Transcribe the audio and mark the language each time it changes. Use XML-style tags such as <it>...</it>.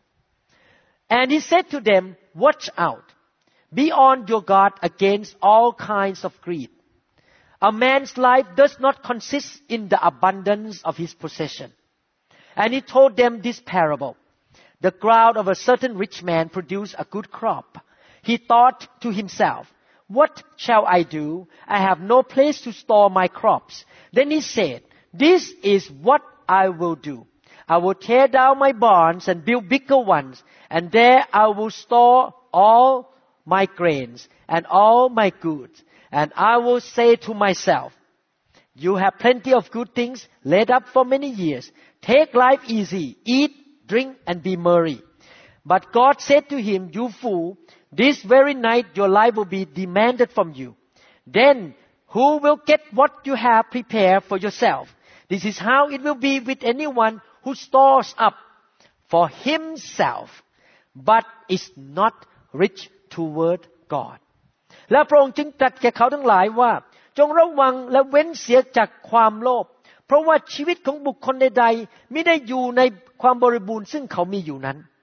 <en>21 And he said to them watch out be on your guard against all kinds of greed A man's life does not consist in the abundance of his possession And he told them this parableThe ground of a certain rich man produced a good crop. He thought to himself, What shall I do? I have no place to store my crops. Then he said, This is what I will do. I will tear down my barns and build bigger ones, and there I will store all my grains and all my goods. And I will say to myself, You have plenty of good things laid up for many years. Take life easy. Eat. Drink and be merry. But God said to him, You fool, this very night your life will be demanded from you. Then who will get what you have prepared for yourself? This is how it will be with anyone who stores up for himself, but is not rich toward God.</en> <th>และพระองค์จึงตรัสแก่เขาทั้งหลายว่าจงระวังและเว้นเสียจากความโลภเพราะว่าชีวิตของบุคคลใดๆไม่ได้อยู่ในความบริบูรณ์ซึ่งเขามีอยู่นั้น</th>